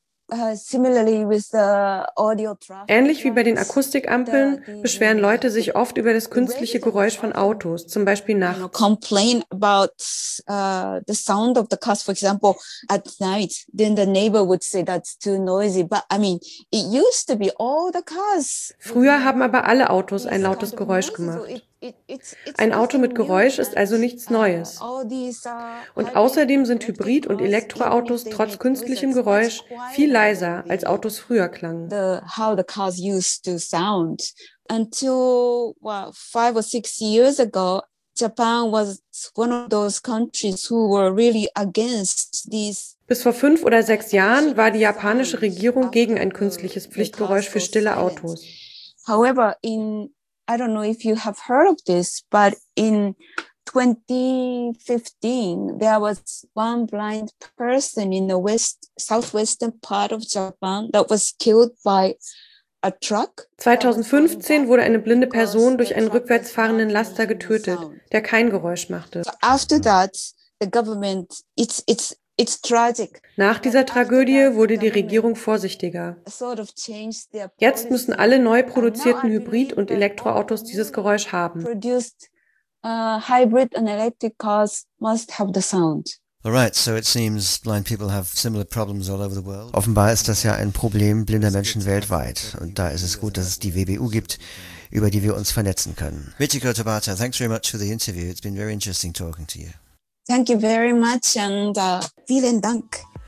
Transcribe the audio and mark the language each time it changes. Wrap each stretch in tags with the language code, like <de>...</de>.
<de>Ähnlich wie bei den Akustikampeln beschweren Leute sich oft über das künstliche Geräusch von Autos, zum Beispiel nachts.</de> <en>Complain about the sound of the cars, for example, at night. Then the neighbor would say that's too noisy. But I mean, it used to be all the cars.</en> <de>Früher haben aber alle Autos ein lautes Geräusch gemacht. Ein Auto mit Geräusch ist also nichts Neues. Und außerdem sind Hybrid- und Elektroautos trotz künstlichem Geräusch viel leiser, als Autos früher klangen.</de> <en>How the cars used to sound. Until 5 or 6 years ago, Japan was one of those countries who were really against these.</en> <de>Bis vor 5 oder 6 Jahren war die japanische Regierung gegen ein künstliches Pflichtgeräusch für stille Autos.</de> <en>However, I don't know if you have heard of this, but in 2015 there was one blind person in the southwestern part of Japan that was killed by a truck.</en> <de>2015 wurde eine blinde Person durch einen rückwärts fahrenden Laster getötet, der kein Geräusch machte.</de> <en>So after that, the government it's tragic.</en> <de>Nach dieser Tragödie wurde die Regierung vorsichtiger. Jetzt müssen alle neu produzierten Hybrid- und Elektroautos dieses Geräusch haben.</de> <en>Hybrid and electric cars must have the sound. All right, so it seems blind people have similar problems all over the world.</en> <de>Offenbar ist das ja ein Problem blinder Menschen weltweit. Und da ist es gut, dass es die WBU gibt, über die wir uns vernetzen können.</de> <en>Michiko Tabata, thanks very much for the interview. It's been very interesting talking to you. Thank you very much and</en> <de>vielen Dank.</de>